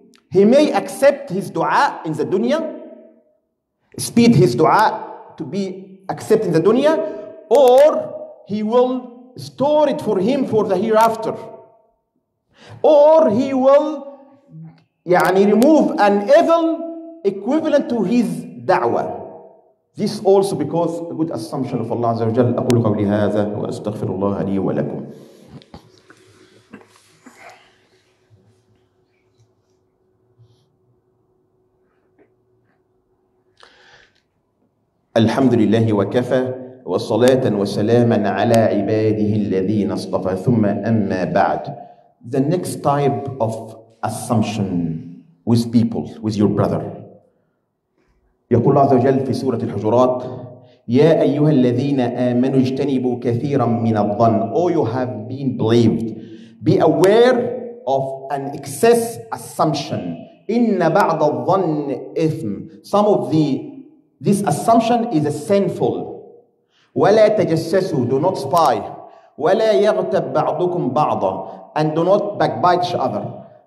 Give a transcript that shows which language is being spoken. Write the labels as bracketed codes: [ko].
[en] He may accept his dua in the dunya, speed his dua to be accepted in the dunya, or he will store it for him for the hereafter, or he will يعني remove an evil equivalent to his da'wa. This also because a good assumption of Allah Azza wa Jal. [ar] أقول قولي هذا وأستغفر الله لي ولكم. الحمد لله وكفى, وصلاة وسلاما على عباده الذين اصطفى. ثم أما بعد, [en] the next type of assumption with people, with your brother. [ar] يقول الله عز وجل في سورة الحجرات, يا أيها الذين آمنوا اجتنبوا كثيرا من الظن. [en] Oh, you have been believed, be aware of an excess assumption. [ar] إن بعض الظن إثم. [en] Some of the this assumption is a sinful. [ar] ولا تجسسوا, [en] do not spy. [ar] ولا يغتب بعضكم بعضا, [en] and do not backbite each other.